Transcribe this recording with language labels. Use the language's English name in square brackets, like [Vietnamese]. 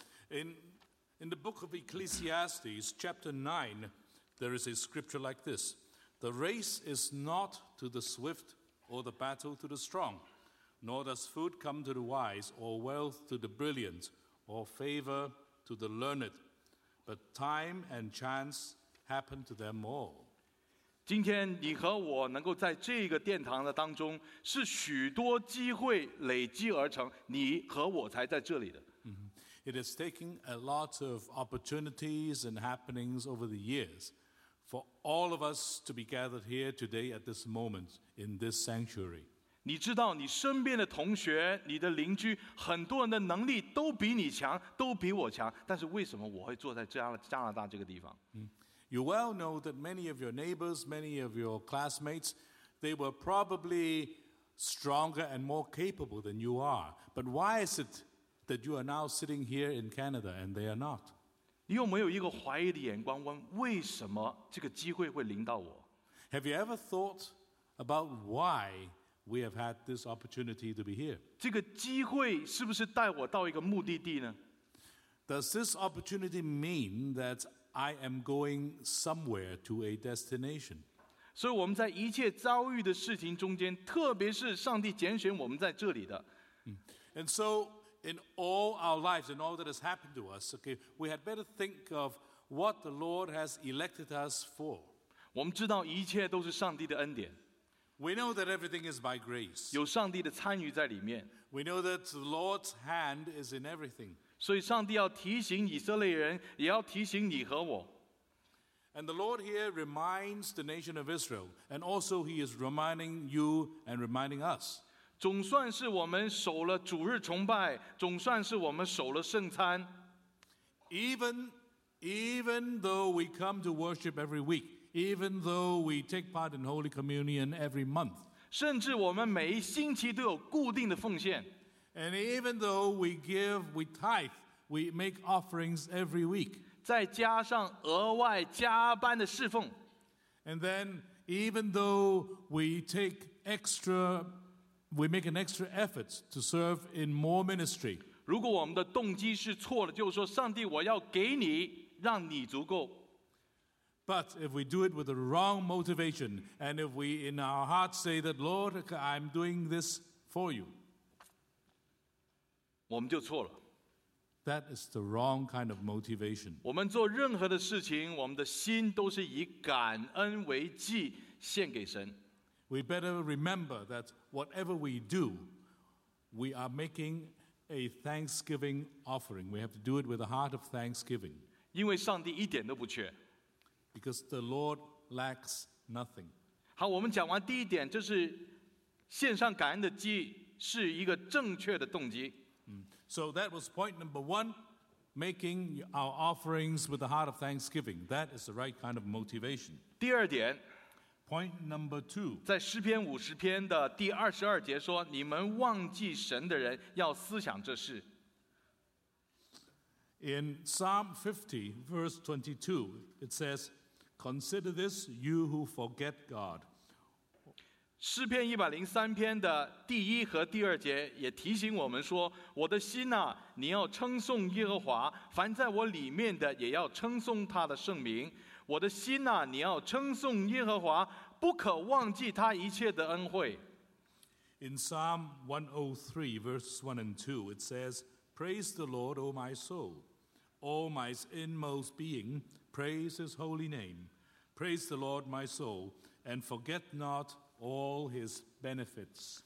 [English] In the book of Ecclesiastes chapter 9 there is a scripture like this. The race is not to the swift, or the battle to the strong, nor does food come to the wise, or wealth to the brilliant, or favor to the learned, but time and chance happen to them all. [Chinese] 今天你和我能够在这个殿堂的当中，是许多机会累积而成，你和我才在这里的。 [English] It has taken a lot of opportunities and happenings over the years. For all of us to be gathered here today at this moment in this sanctuary. [Chinese] 你知道你身边的同学你的邻居很多人的能力都比你强都比我强但是为什么我会坐在加拿大这个地方 [English] You well know that many of your neighbors, many of your classmates, they were probably stronger and more capable than you are. But why is it that you are now sitting here in Canada and they are not? [Chinese] 你有没有一个怀疑的眼光问为什么这个机会会临到我 [English] Have you ever thought about why we have had this opportunity to be here? [Chinese] 这个机会是不是带我到一个目的地呢 [English] Does this opportunity mean that I am going somewhere to a destination? [Chinese] 所以我们在一切遭遇的事情中间特别是上帝拣选我们在这里的 [English] And so,In all our lives and all that has happened to us, okay, we had better think of what the Lord has elected us for. [Chinese] 我们知道一切都是上帝的恩典。 [English] We know that everything is by grace. [Chinese] 有上帝的参与在里面。 [English] We know that the Lord's hand is in everything. [Chinese] 所以上帝要提醒以色列人，也要提醒你和我。 [English] And the Lord here reminds the nation of Israel, and also he is reminding you and reminding us. [Chinese] 总算是我们守了主日崇拜，总算是我们守了圣餐。 [English] Even though we come to worship every week, even though we take part in Holy Communion every month, [Chinese] 甚至我们每一星期都有固定的奉献。 [English] And even though we give, we tithe, we make offerings every week, [Chinese] 再加上额外加班的侍奉。 [English] And then even though we take extra. We make an extra effort to serve in more ministry. [Chinese] 如果我们的动机是错的，就是说，上帝，我要给你，让你足够。 [English] But if we do it with the wrong motivation, and if we in our hearts say that, Lord, I'm doing this for you, [Chinese] 我们就错了。 [English] That is the wrong kind of motivation. [Chinese] 我们做任何的事情，我们的心都是以感恩为祭，献给神。 [English] We better remember that whatever we do, we are making a thanksgiving offering. We have to do it with a heart of thanksgiving. [Chinese] 因为上帝一点都不缺。 [English] Because the Lord lacks nothing. [Chinese] 好，我们讲完第一点，就是献上感恩的祭是一个正确的动机。 [English] So that was point number one, making our offerings with a heart of thanksgiving. That is the right kind of motivation. [Chinese] 第二点。 [English] Point number two. [Chinese] 在诗篇五十篇的第二十二节说，你们忘记神的人要思想这事。 [English] In Psalm 50, verse 22, it says, Consider this, you who forget God. [Chinese] 诗篇一百零三篇的第一和第二节也提醒我们说，我的心啊，你要称颂耶和华，凡在我里面的也要称颂他的圣名。我的心啊，你要称颂耶和华，不可忘记他一切的恩惠。 [English] In Psalm 103, verses 1 and 2, it says, "Praise the Lord, O my soul. All my inmost being, praise his holy name. Praise the Lord, my soul, and forget not all his benefits."